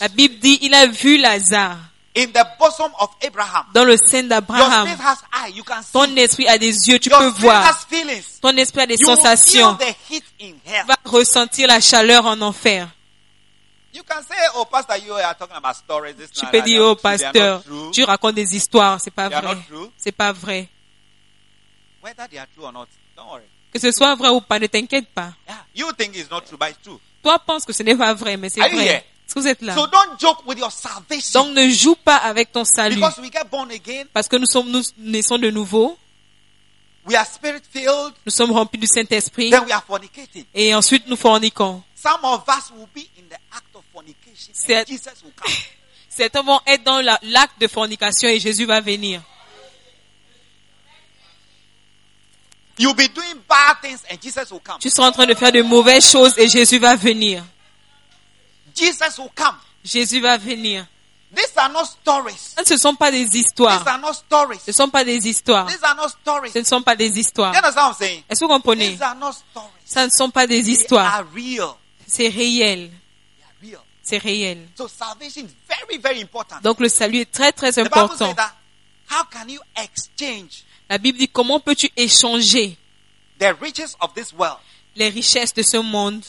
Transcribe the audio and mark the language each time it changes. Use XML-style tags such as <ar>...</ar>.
<fr>La Bible dit il a vu Lazare.</fr> <en>In the bosom of Abraham.</en> <fr>Dans le sein d'Abraham.</fr> <en>Your spirit has eyes. You can see.</en> <fr>Ton esprit a des yeux. Tu</fr> <en>your</en> <fr>peux voir.</fr> <en>Your spirit has feelings.</en> <fr>Ton esprit a des</fr> <en>you</en> <fr>sensations.</fr> <en>You feel the heat in hell.</en> <fr>Tu vas ressentir la chaleur en enfer.</fr> <en>You can say, oh, pastor, you are talking about stories. This</en> <fr>tu peux dire, oh, pasteur, tu racontes des histoires. C'est pas</fr> <en>they</en> <fr>vrai.</fr> <en>Are not true.</en> <fr>C'est pas vrai.</fr> <en>Whether they are true or not, don't worry.</en> <fr>Que ce soit vrai ou pas, ne t'inquiète pas. Yeah.</fr> <en>You think it's not true, but it's true.</en> <fr>Toi penses que ce n'est pas vrai, mais c'est</fr> <en>are</en> <fr>vrai.</fr> <en>You here?</en> <fr>Est-ce que vous êtes là?</fr> <en>So don't joke with your salvation.</en> <fr>Donc ne joue pas avec ton salut.</fr> <en>Because we get born again.</en> <fr>Parce que nous naissons de nouveau.</fr> <en>We are spirit-filled.</en> <fr>Nous sommes remplis du Saint-Esprit.</fr> <en>Then we are fornicating.</en> <fr>Et ensuite nous forniquons.</fr> <en>Some of us will be in the act of fornication. Jesus will come.</en> <fr>Certains vont être dans l'acte de fornication et Jésus va venir.</fr> <en>You'll be doing bad things and Jesus will come.</en> <fr>Tu seras en train de faire de mauvaises choses et Jésus va venir.</fr> <en>Jesus will come.</en> <fr>Jésus va venir.</fr> <en>These are not stories.</en> <fr>Ce ne sont pas des histoires.</fr> <en>These are not stories.</en> <fr>Ce ne sont pas des histoires.</fr> <en>These are not stories.</en> <fr>Ce ne sont pas des histoires.</fr> <en>You know what I'm saying?</en> <fr>Est-ce que vous comprenez?</fr> <en>These are not stories.</en> <fr>Ce ne sont pas des histoires.</fr> <en>They are real.</en> <fr>C'est réel.</fr> <en>They are real.</en> <fr>C'est réel.</fr> <en>So salvation is very, very important.</en> <fr>Donc le salut est très, très important.</fr> <en>The Bible says that, how can you exchange?</en> <fr>La Bible dit comment peux-tu échanger</fr> <en>the riches of this world</en> <fr>les richesses de ce monde</fr>